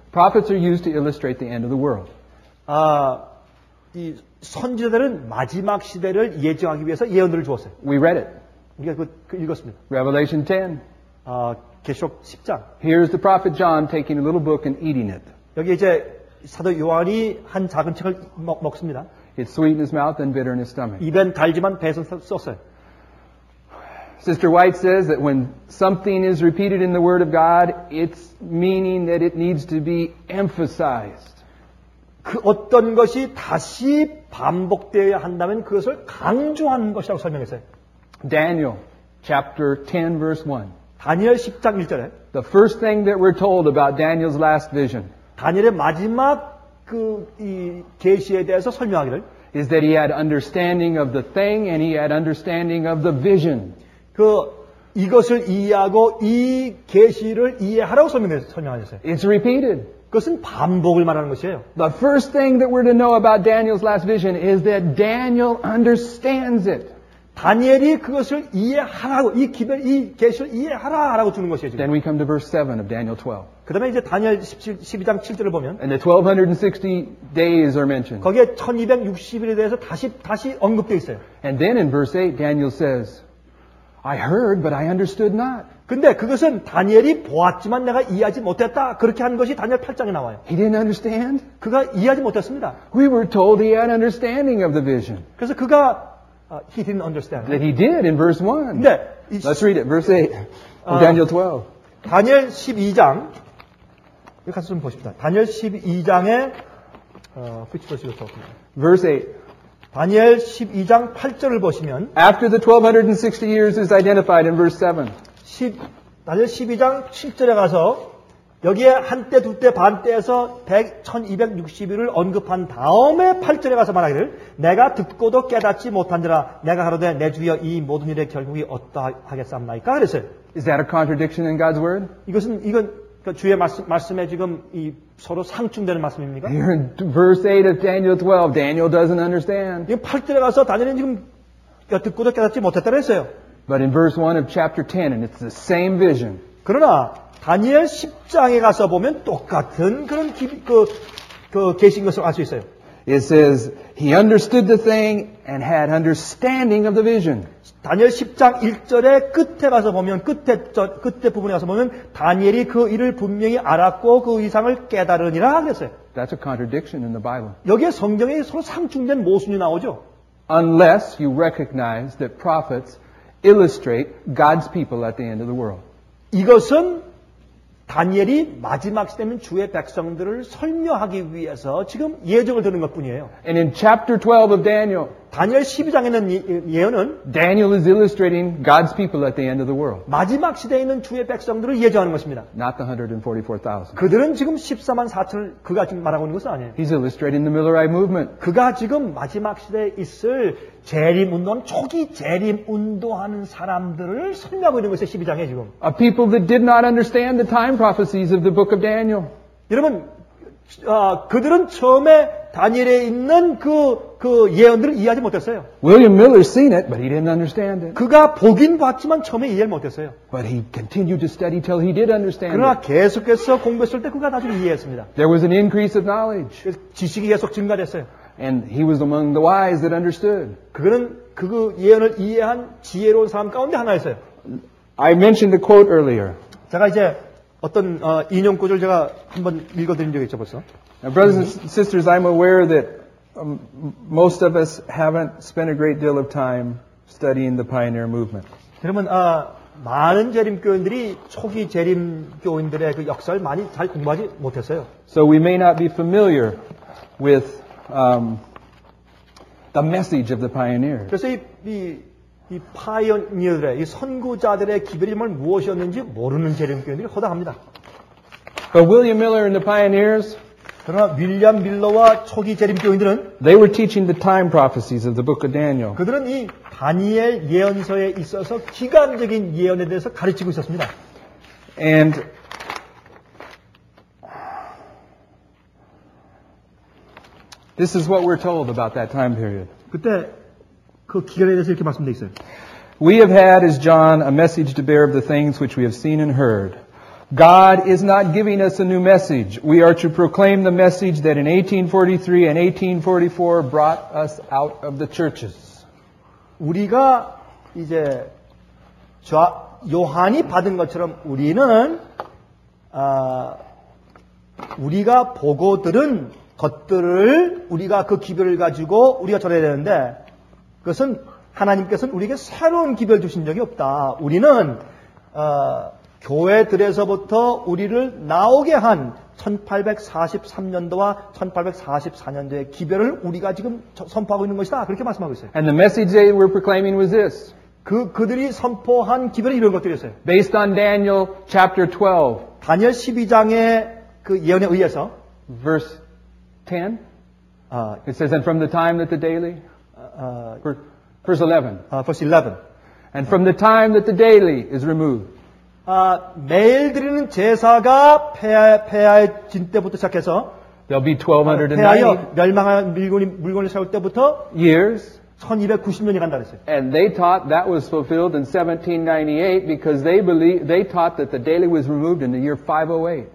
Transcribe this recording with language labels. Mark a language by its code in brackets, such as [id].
[en] Prophets are used to illustrate the end of the world. [ko] 이 선지자들은 마지막 시대를 예증하기 위해서 예언들을 주었어요. [en] We read it. [ko] 우리가 그 읽었습니다. [en] Revelation 10. [ko] 계시록 10장. [en] Here's the prophet John taking a little book and eating it. [ko] 여기 이제 사도 요한이 한 작은 책을 먹습니다. [en] It's sweet in his mouth and bitter in his stomach. [ko] 입엔 달지만 배에서 썼어요. [en] Sister White says that when something is repeated in the Word of God, it's meaning that it needs to be emphasized. [ko] 그 어떤 것이 다시 반복되어야 한다면 그것을 강조하는 것이라고 설명했어요. [en] Daniel chapter 10 verse 1. [ko] 다니엘 10장 1절에 [en] The first thing that we're told about Daniel's last vision. [ko] 다니엘의 마지막 그 이 계시에 대해서 설명하기를 [en] is that he had understanding of the thing and he had understanding of the vision. [ko] 그 이것을 이해하고 이 계시를 이해하라고 설명하셨어요. [en] It's repeated. [ko] 그것은 반복을 말하는 것이에요. [en] The first thing that we're to know about Daniel's last vision is that Daniel understands it. [ko] 다니엘이 그것을 이해하라고 이 기별 이 계시를 이해하라라고 주는 것이에요. 지금. [en] Then we come to verse 7 of Daniel 12. [ko] 그다음에 이제 다니엘 12장 7절을 보면 [en] And the 1260 days are mentioned. [ko] 거기에 1260일에 대해서 다시 언급돼 있어요. [en] And then in verse 8 Daniel says I heard, but I understood not. [ko] 근데 그것은 다니엘이 보았지만 내가 이해하지 못했다. 그렇게 하는 것이 다니엘 8장에 나와요. [en] He didn't understand. [ko] 그가 이해하지 못했습니다. [en] We were told he had understanding of the vision. [ko] 그래서 그가 [en] he didn't understand. That he did in verse 1. [ko] 네. [en] Let's read it. Verse 8. Daniel 12. [ko] 다니엘 12장. 여기 가서 좀 보십시다. 다니엘 12장에 [en] which verse you're talking about? Verse 8. [ko] 다니엘 12장 8절을 보시면 [en] After the 1260 years is identified in verse 7. [ko] 다니엘 12장 7절에 가서 여기에 한때 두때 반때에서 1260일을 언급한 다음에 8절에 가서 말하기를 내가 듣고도 깨닫지 못한지라 내가 가로되 내 주여 이 모든 일의 결국이 어떠하겠사옵나이까 그랬어요. [en] Is that a contradiction in God's word? [ko] 이건 주의 말씀에 지금 이 서로 상충되는 말씀입니까? [en] Here in verse 8 of Daniel 12, Daniel doesn't understand. [ko] 8절에 가서 다니엘은 지금 듣고도 깨닫지 못했다고 했어요. [en] But in verse 1 of chapter 10, and it's the same vision. [ko] 그러나 다니엘 10장에 가서 보면 똑같은 그런 그 계신 것을 알 수 있어요. [en] It says he understood the thing and had understanding of the vision. [ko] 다니엘 10장 1절의 끝에 가서 보면 끝에 부분에 가서 보면 다니엘이 그 일을 분명히 알았고 그 이상을 깨달으니라 하겠어요. [en] That's a contradiction in the Bible. [ko] 여기에 성경에 서로 상충된 모순이 나오죠. [en] Unless you recognize that prophets illustrate God's people at the end of the world. [ko] 이것은 다니엘이 마지막 시대면 주의 백성들을 설명하기 위해서 지금 예정을 드는 것뿐이에요. [en] And in chapter 12 of Daniel, [ko] 다니엘 12장에 있는 예언은 [en] Daniel is illustrating God's people at the end of the world. [ko] 마지막 시대에 있는 주의 백성들을 예정하는 것입니다. [en] Not the 144,000. [ko] 그들은 지금 14만 4천을 그가 지금 말하고 있는 것은 아니에요. [en] He's illustrating the Millerite movement. [ko] 그가 지금 마지막 시대에 있을 재림 운동, 초기 재림 운동하는 사람들을 설명하고 있는 것이에요, 12장에 지금. [en] A people that did not understand the time prophecies of the book of Daniel. [ko] 여러분, 그들은 처음에 다니엘에 있는 그 예언들을 이해하지 못했어요. [en] William Miller seen it, but he didn't understand it. [ko] 그가 보긴 봤지만 처음에 이해를 못했어요. [en] But he continued to study till he did understand. [ko] 그러나 계속해서 공부했을 때 그가 나중에 이해했습니다. [en] There was an increase of knowledge. [ko] 지식이 계속 증가됐어요. [en] And he was among the wise that understood. [ko] 그는 그 예언을 이해한 지혜로운 사람 가운데 하나였어요. [en] I mentioned the quote earlier. [ko] 제가 이제 어떤 인용구절 제가 한번 읽어드린 적이 있죠 벌써. [en] Now, brothers and sisters, I'm aware that most of us haven't spent a great deal of time studying the pioneer movement. [ko] 여러분, 많은 재림 교인들이 초기 재림 교인들의 그 역사를 많이 잘 공부하지 못했어요. [en] So we may not be familiar with the message of the pioneers. [ko] 그래서 이 파이어니어들의 이 선구자들의 기별이 무엇이었는지 모르는 재림 교인들이 허다합니다. [en] But William Miller and the pioneers. [ko] 그러나 윌리엄 밀러와 초기 재림 교인들은 [en] They were teaching the time prophecies of the book of Daniel. [ko] 그들은 이 다니엘 예언서에 있어서 기간적인 예언에 대해서 가르치고 있었습니다. [en] And this is what we're told about that time period. [ko] 그때 그 기간에 대해서 이렇게 말씀돼 있어요. [en] We have had as John a message to bear of the things which we have seen and heard. God is not giving us a new message. We are to proclaim the message that in 1843 and 1844 brought us out of the churches. [ko] 우리가 이제 요한이 받은 것처럼 우리는 우리가 보고 들은 것들을 우리가 그 기별을 가지고 우리가 전해야 되는데 그것은 하나님께서는 우리에게 새로운 기별 주신 적이 없다. 우리는 교회들에서부터 우리를 나오게 한 1843년도와 1844년도의 기별을 우리가 지금 선포하고 있는 것이다. 그렇게 말씀하고 있어요. [en] And the message they were proclaiming was this. [ko] 그들이 선포한 기별은 이런 것들이었어요. [en] Based on Daniel chapter 12. [ko] 다니엘 12장의 그 예언에 의해서 [en] verse 10. It says and from the time that the daily verse 11. And from the time that the daily is removed. [ko] 매일 드리는 제사가 폐하에 진 때부터 시작해서 [en] There'll be 1290 [ko] 폐하여 멸망한 물건을 세울 때부터 [en] years [ko] 1290년이 간다 그랬어요. [en] And they thought that was fulfilled in 1798 because they believe they thought that the daily was removed in the year 508.